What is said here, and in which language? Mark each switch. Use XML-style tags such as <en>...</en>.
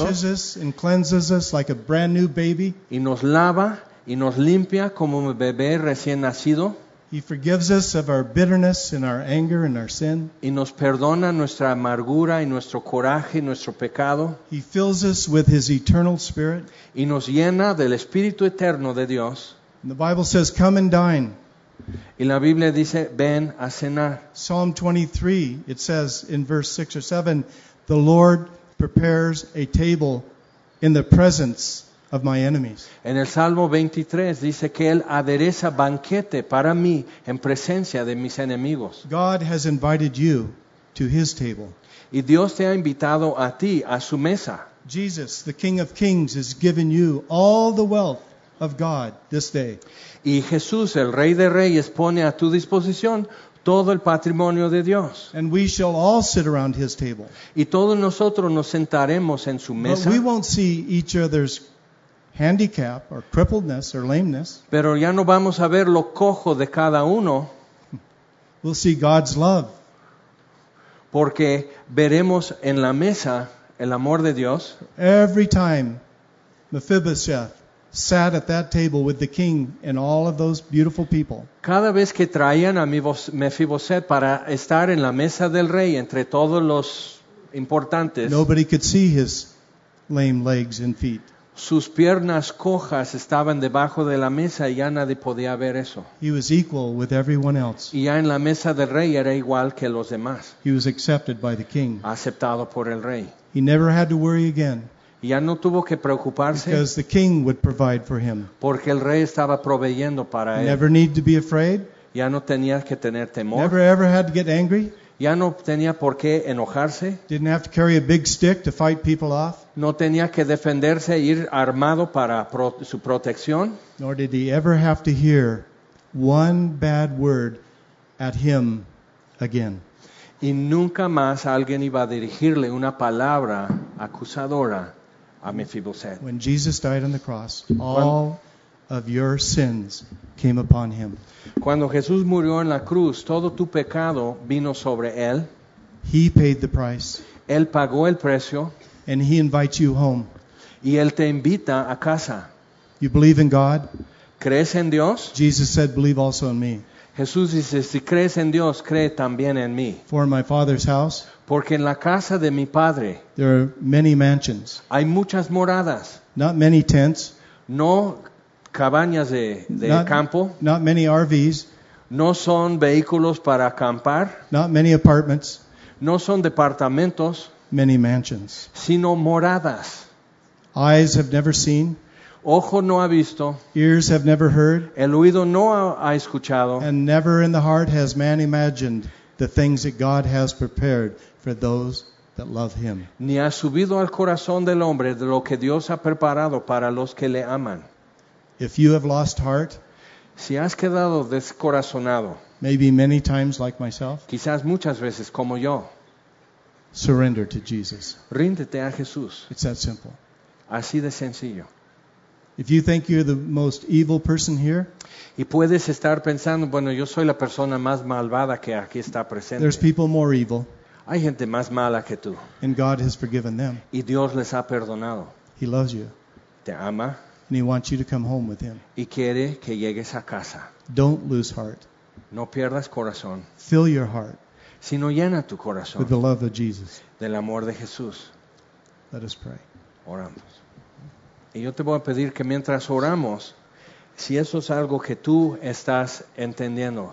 <en>He washes us and cleanses us like a brand new baby.</en> <es>Y nos lava y nos limpia como un bebé recién nacido.</es> <en>He forgives us of our bitterness and our anger and our sin.</en> <es>Y nos perdona nuestra amargura y nuestro coraje y nuestro pecado.</es> <en>He fills us with his eternal spirit.</en> <es>Y nos llena del Espíritu Eterno de Dios.</es> <en>And the Bible says, come and dine.</en> <es>Y la Biblia dice, ven a cenar.</es> <en>Psalm 23, it says in verse 6 or 7, the Lord prepares a table in the presence of my enemies.</en> <es>En el Salmo 23 dice que él adereza banquete para mí en presencia de mis enemigos.</es> <en>God has invited you to his table.</en> <es>Y Dios te ha invitado a ti a su mesa.</es> <en>Jesus, the King of Kings, has given you all the wealth of God this day.</en> <es>Y Jesús, el Rey de Reyes, pone a tu disposición todo el patrimonio de Dios.</es> <en>And we shall all sit around his table.</en> <es>Y todos nosotros nos sentaremos en su mesa.</es> <en>But we won't see each other's handicap or crippledness or lameness.</en> <es>Pero ya no vamos a ver lo cojo de cada uno.</es> <en>We'll see God's love.</en> <es>Porque veremos en la mesa el amor de Dios.</es> <en>Every time Mephibosheth sat at that table with the king and all of those beautiful people.</en> <es>Cada vez que traían a Mephibosheth para estar en la mesa del rey entre todos los importantes.</es> <en>Nobody could see his lame legs and feet.</en> <es>Sus piernas cojas estaban debajo de la mesa y ya nadie podía ver eso.</es> <en>He was equal with everyone else.</en> <es>Y ya en la mesa del rey era igual que los demás.</es> <en>He was accepted by the king.</en> <es>Aceptado por el rey.</es> <en>He never had to worry again.</en> <es>Y ya no tuvo que preocuparse.</es> <en>Because the king would provide for him.</en> <es>Porque el rey estaba proveyendo para él.</es> <en>Never need to be afraid.</en> <es>Ya no tenía que tener temor.</es> <en>Never ever had to get angry.</en> <es>Ya no tenía por qué enojarse.</es> <en>Didn't have to carry a big stick to fight people off.</en> <es>No tenía que defenderse e ir armado para su protección.</es> <en>Nor did he ever have to hear one bad word at him again.</en> <es>Y nunca más alguien iba a dirigirle una palabra acusadora a Mephibosheth.</es> <en>When Jesus died on the cross, all of your sins came upon him.</en> <es>Cuando Jesús murió en la cruz, todo tu pecado vino sobre él.</es> <en>He paid the price.</en> <es>Él pagó el precio.</es> <en>And he invites you home.</en> <es>Y él te invita a casa.</es> <en>You believe in God?</en> <es>¿Crees en Dios?</es> <en>Jesus said, believe also in me.</en> <es>Jesús dice, si crees en Dios, cree también en mí.</es> <en>For my Father's house,</en> <es>porque en la casa de mi Padre,</es> <en>there are many mansions.</en> <es>Hay muchas moradas.</es> <en>Not many tents.</en> <es>No cabañas de not, campo.</es> <en>Not many RVs.</en> <es>No son vehículos para acampar.</es> <en>Not many apartments.</en> <es>No son departamentos.</es> <en>Many mansions.</en> <es>Sino moradas.</es> <en>Eyes have never seen.</en> <es>Ojo no ha visto.</es> <en>Ears have never heard.</en> <es>El oído no ha escuchado.</es> <en>And never in the heart has man imagined the things that God has prepared for those that love him.</en> <es>Ni ha subido al corazón del hombre de lo que Dios ha preparado para los que le aman.</es> <en>If you have lost heart,</en> <es>si has quedado descorazonado,</es> <en>Maybe many times like myself.</en> <es>Quizás muchas veces como yo.</es> <en>Surrender to Jesus.</en> <es>Ríndete a Jesús.</es> <en>It's that simple.</en> <es>Así de sencillo.</es> <en>If you think you're the most evil person here,</en> <es>y puedes estar pensando, bueno, yo soy la persona más malvada que aquí está presente.</es> <en>There's people more evil.</en> <es>Hay gente más mala que tú.</es> <en>And God has forgiven them.</en> <es>Y Dios les ha perdonado.</es> <en>He loves you.</en> <es>Te ama.</es> <en>And he wants you to come home with him.</en> <es>Y quiere que llegues a casa.</es> <en>Don't lose heart.</en> <es>No pierdas corazón.</es> <en>Fill your heart.</en> <es>Sino llena tu corazón.</es> <en>With the love of Jesus.</en> <es>Del amor de Jesús.</es> <en>Let us pray.</en> <es>Oramos. Y yo te voy a pedir que mientras oramos, si eso es algo que tú estás entendiendo.</es>